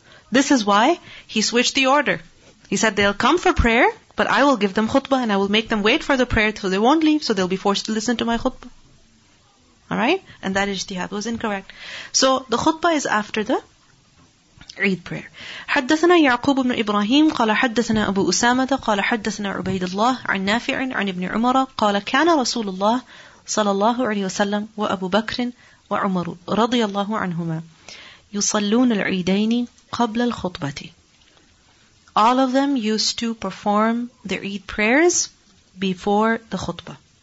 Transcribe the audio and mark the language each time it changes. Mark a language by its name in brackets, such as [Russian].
[English] This is why he switched the order. He said, they'll come for prayer, but I will give them khutbah and I will make them wait for the prayer so they won't leave, so they'll be forced to listen to my khutbah. Alright? And that ijtihad was incorrect. So, the khutbah is after the Eid prayer. [Arabic] حدثنا يعقوب بن إبراهيم قال حدثنا أبو أسامة قال حدثنا عبيد الله عن نافع عن ابن عمر قال كان رسول الله صلى الله عليه وسلم وأبو بكر وعمر رضي الله عنهما يصلون العيدين قبل الخطبة. [English] All of them used to perform their Eid prayers before the khutbah.